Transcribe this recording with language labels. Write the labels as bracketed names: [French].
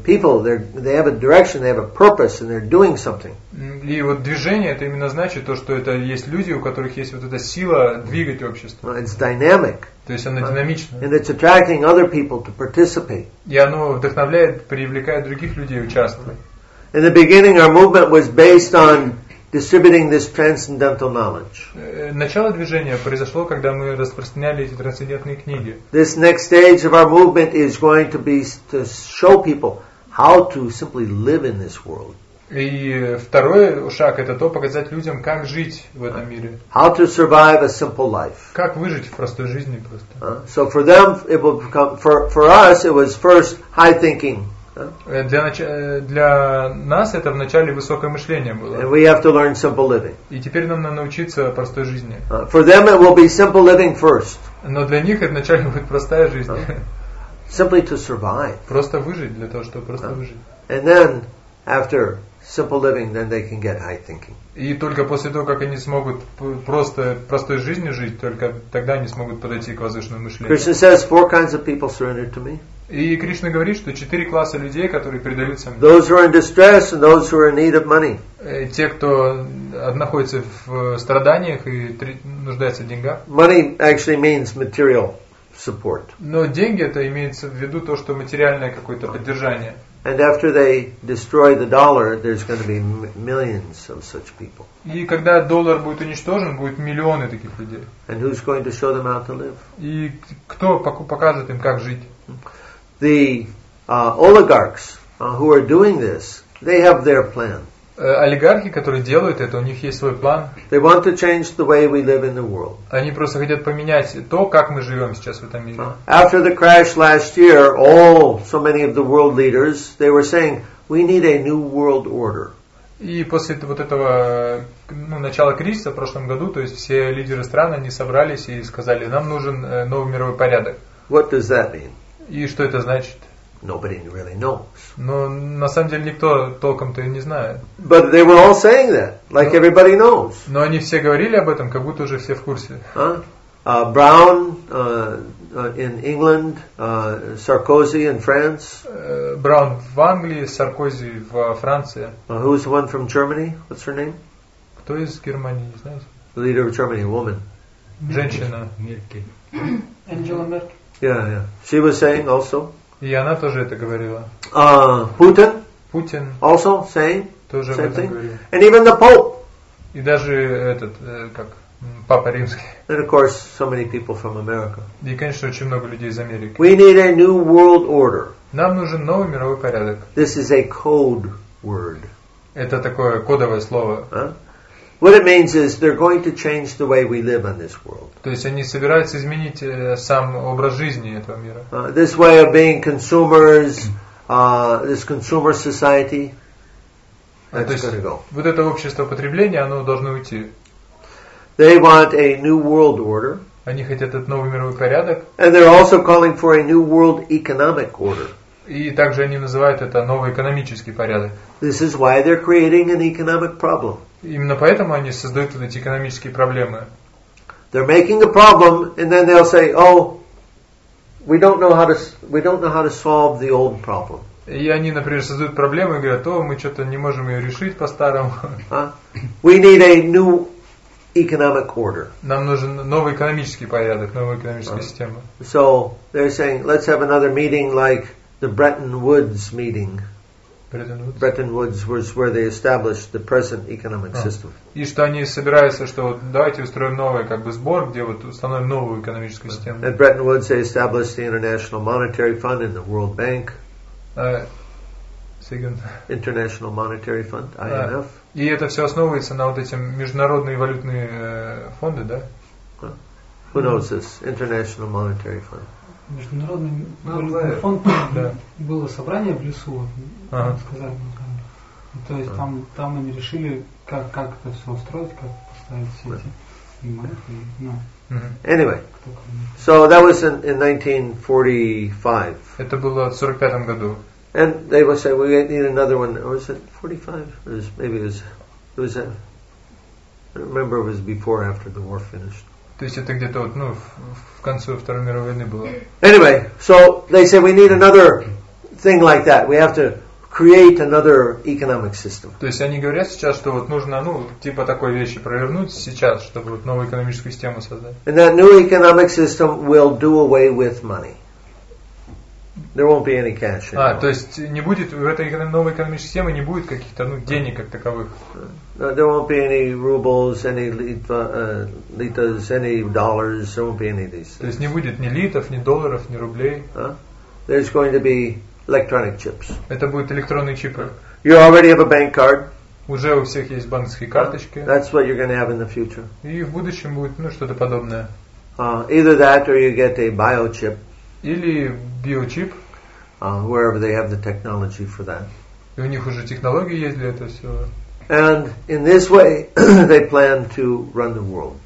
[English] People, they have a direction, they have a purpose, and they're doing something. [Russian] И вот движение, это именно значит то, что это есть люди, у которых есть вот эта сила двигать общество. [English] It's dynamic. [Russian] То есть оно динамично. [English] And it's attracting other people to participate. [Russian] И оно вдохновляет, привлекает других людей участвовать. [English] In the beginning, our movement was based on distributing this transcendental knowledge. [Russian] Начало движения произошло, когда мы распространяли эти трансцендентные книги. [English] This next stage of our movement is going to be to show people how to simply live in this world. [Russian] И второй шаг это то, показать людям, как жить в этом мире. [English] How to survive a simple life. [Russian] Как выжить в простой жизни просто. [English] So for them it will become for us it was first high thinking. [Russian] Для нас это вначале высокое мышление было. [English] And we have to learn simple living. [Russian] И теперь нам надо научиться простой жизни. [English] For them it will be simple living first. [Russian] Но для них это вначале будет простая жизнь. [English] Simply to survive. [Russian] Просто выжить для того, чтобы просто выжить. [English] And then after simple living, then they can get high thinking. [Russian] И только после того, как они смогут просто простой жизнью жить, только тогда они смогут подойти к возвышенному мышлению. [English] Krishna says four kinds of people surrender to me. [Russian] И Кришна говорит, что 4 класса людей, которые предаются мне. [English] Those who are in distress and those who are in need of money. [Russian] Те, кто находится в страданиях и нуждается в деньгах. [English] Money actually means material support. [Russian] Но деньги это имеется в виду то, что материальное какое-то поддержание. [English] And after they destroy the dollar, there's going to be millions of such people. [Russian] И когда доллар будет уничтожен, будет миллионы таких людей. [English] And who's going to show them how to live? [Russian] И кто покажет им, как жить? [English] The oligarchs who are doing this, they have their plan. [Russian] Олигархи, которые делают это, у них есть свой план. [English] They want to change the way we live in the world. [Russian] Они просто хотят поменять то, как мы живем сейчас в этом мире. [English] After the crash last year, so many of the world leaders, they were saying, we need a new world order. [Russian] И после вот этого начала кризиса в прошлом году, то есть все лидеры стран, они собрались и сказали, нам нужен новый мировой порядок. [English] What does that mean? [Russian] И что это значит? [English] Nobody really knows. [Russian] Но на самом деле никто толком-то и не знает. [English] But they were all saying that, like everybody knows. [Russian] Но они все говорили об этом, как будто уже все в курсе. [English] Brown in England, Sarkozy in France. [Russian] Brown в Англии, Саркози в Франции. [English] Who's the one from Germany? What's her name? [Russian] Кто из Германии, не знаешь? [English] The leader of Germany, a woman. [Russian] Женщина. [English] Angela Merkel. Yeah, yeah. She was saying also. [Russian] И она тоже это говорила. [English] Putin. [Russian] Putin. [English] Also saying. [Russian] Тоже [English] same thing. And even the Pope. [Russian] И даже этот как? Папа Римский. [English] And of course, so many people from America. [Russian] И, конечно, очень много людей из Америки. [English] We need a new world order. [Russian] Нам нужен новый мировой порядок. [English] This is a code word. [Russian] Это такое кодовое слово. [English] What it means is they're going to change the way we live in this world. [Russian] То есть они собираются изменить сам образ жизни этого мира. [English] This way of being consumers, this consumer society. [Russian] Вот это общество потребления, оно должно уйти. [English] They want a new world order. [Russian] Они хотят этот новый мировой порядок. [English] And they're also calling for a new world economic order. [Russian] И также они называют это новый экономический порядок. [English] This is why they're creating an economic problem. [Russian] Именно поэтому они создают вот эти экономические проблемы. [English] They're making a problem, and then they'll say, "Oh, we don't know how to solve the old problem." [Russian] И они, например, создают проблему и говорят: "О, мы что-то не можем ее решить по-старому." [English] We need a new economic order. [Russian] Нам нужен новый экономический порядок, новая экономическая система. [English] So they're saying, "Let's have another meeting like the Bretton Woods meeting." Bretton Woods. Bretton Woods was where they established the present economic system. [Russian] И что они собираются, что вот давайте устроим новый как бы сбор, где вот установим новую экономическую систему. [English] At Bretton Woods they established the International Monetary Fund and the World Bank. International Monetary Fund, IMF. [Russian] И это все основывается на вот эти международные валютные фонды, да? [English] Who knows this? International Monetary Fund. [Russian] Международный валютный фонд, было собрание в лесу, сказали, то есть там они решили, как это все устроить, как поставить все эти монеты. [English] Anyway, so that was in 1945. [Russian] Это было в 45 году. [English] And they would say, we need another one. Or was it 45? Or maybe it was. I don't remember if it was before or after the war finished. [Russian] То есть это где-то вот, ну, в конце Второй мировой войны было. [English] Anyway, so they say we need another thing like that. We have to create another economic system. [Russian] То есть они говорят сейчас, что вот нужно, ну, типа такой вещи провернуть сейчас, чтобы вот новую экономическую систему создать. [English] And that new economic system will do away with money. There won't be any cash anymore. [Russian] То есть не будет в этой новой экономической системе не будет каких-то, ну, денег как таковых. [English] No, there won't be any rubles, any litas, any dollars. There won't be any of these things. [Russian] То есть не будет ни литов, ни долларов, ни рублей. [English] There's going to be electronic chips. [Russian] Это будут электронные чипы. [English] You already have a bank card. [Russian] Уже у всех есть банковские карточки. [English] That's what you're going to have in the future. [Russian] И в будущем будет, ну, что-то подобное. [English] Either that, or you get a biochip. [Russian] Или биочип. [English] Wherever they have the technology for that. [Russian] И у них уже технологии есть для этого всего. [English] And in this way they plan to run the world.